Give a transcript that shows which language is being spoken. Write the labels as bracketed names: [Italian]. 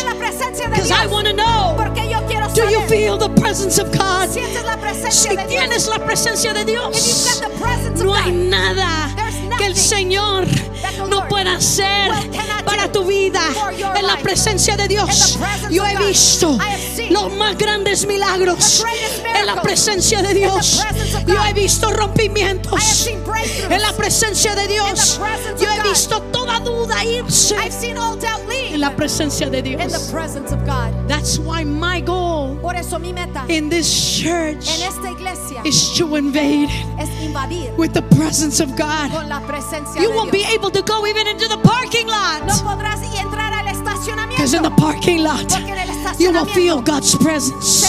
[English] Because I want to know, do you feel the presence of God? [Spanish] Si tienes la presencia de Dios, no hay nada que el Señor no pueda hacer para tu vida en la presencia de Dios. Yo he visto los más grandes milagros en la presencia de Dios. Yo he visto rompimientos en la presencia de Dios. Yo he visto toda duda irse en la presencia de Dios. [English] That's why my goal in this church is to invade with the presence of God. You won't be able to go even into the parking lot, because in the parking lot you will feel God's presence.